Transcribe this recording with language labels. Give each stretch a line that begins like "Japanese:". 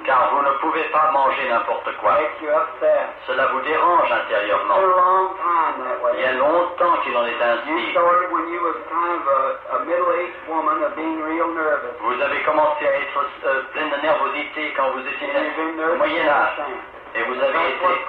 French: Car vous ne pouvez pas manger n'importe quoi.
English: It makes you upset.
French: Cela vous dérange intérieurement.
English: For a long time that way.
French: Il y a longtemps qu'il en est ainsi.
English: You started when you was kind of a middle-aged woman of being real nervous.
French: Vous avez commencé à être pleine de nervosité quand vous étiez moyen âge. Et vous avez été.